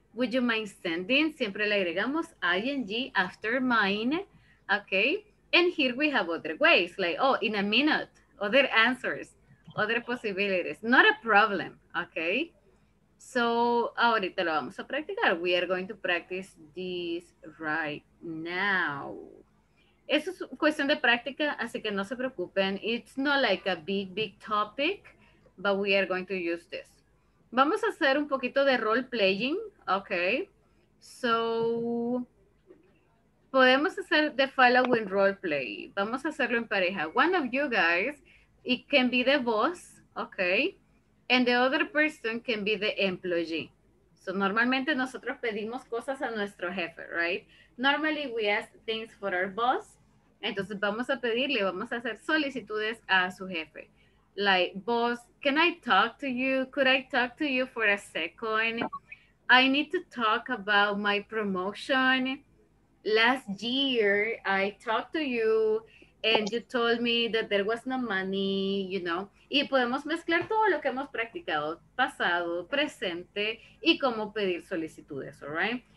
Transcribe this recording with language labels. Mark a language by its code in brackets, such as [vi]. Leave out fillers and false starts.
[en] Would you mind sending? [es] Siempre le agregamos [en] ing after mine, okay? And here we have other ways, like, oh, in a minute, other answers, other possibilities, not a problem, okay? So, [es] ahorita lo vamos a practicar. [en] We are going to practice this right now. [es] Eso es cuestión de práctica, así que no se preocupen. [en] It's not like a big, big topic, but we are going to use this. [es] Vamos a hacer un poquito de role playing, okay? So, podemos hacer [en] the following role play. [es] Vamos a hacerlo en pareja. [en] One of you guys, it can be the boss, okay? And the other person can be the employee. [es] So normalmente nosotros pedimos cosas a nuestro jefe, right? [en] Normally we ask things for our boss. [es] Entonces vamos a pedirle, vamos a hacer solicitudes a su jefe. [en] Like, boss, can I talk to you? Could I talk to you for a second? I need to talk about my promotion. Last year, I talked to you and you told me that there was no money, you know. [es] Y podemos mezclar todo lo que hemos practicado, pasado, presente, y cómo pedir solicitudes, [en] all right?